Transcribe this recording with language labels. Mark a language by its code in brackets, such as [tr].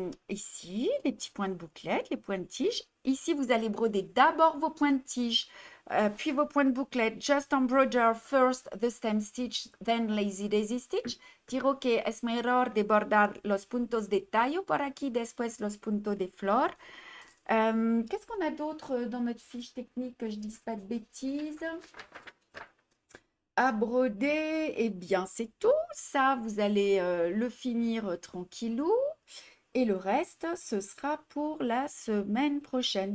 [fr] Ici, les petits points de bouclette, les points de tige. Ici, vous allez broder d'abord vos points de tige, puis vos points de bouclette. [en] Just embroider first the stem stitch, then lazy daisy stitch. [es] Diro que es mejor de bordar los puntos de tallo por aquí, después los puntos de flor. [fr] Qu'est-ce qu'on a d'autre dans notre fiche technique que je ne dise pas de bêtises? À broder, eh bien, c'est tout ça. Vous allez le finir tranquillou. Et le reste, ce sera pour la semaine prochaine.